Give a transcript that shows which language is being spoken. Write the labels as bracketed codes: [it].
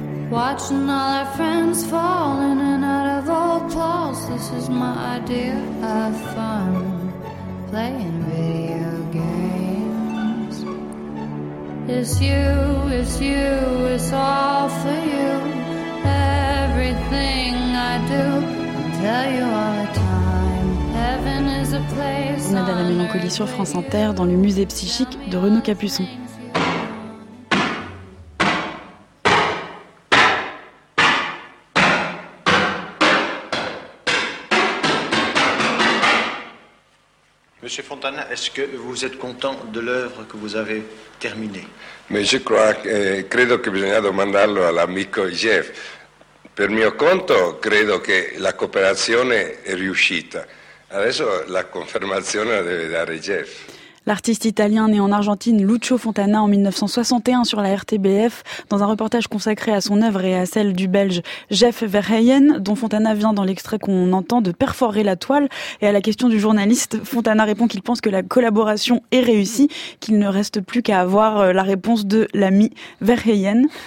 [en] Watching all our friends fall in and out of old clothes, this is my idea of fun, playing video games. It's you, it's you, it's all for you. Everything I do, I tell you all the time. Heaven is a place. [fr] On est dans la mélancolie sur France Inter, dans le musée psychique de Renaud Capuçon. Monsieur Fontana, est-ce que vous êtes content de l'œuvre que vous avez terminée? Mais je crois, [it] credo que bisogna domandarlo all'amico Jeff. Per mio conto credo che la cooperazione è riuscita. Adesso la confermazione la deve dare Jeff. [fr] L'artiste italien né en Argentine, Lucio Fontana, en 1961 sur la RTBF, dans un reportage consacré à son œuvre et à celle du Belge Jeff Verheyen, dont Fontana vient dans l'extrait qu'on entend de perforer la toile. Et à la question du journaliste, Fontana répond qu'il pense que la collaboration est réussie, qu'il ne reste plus qu'à avoir la réponse de l'ami Verheyen.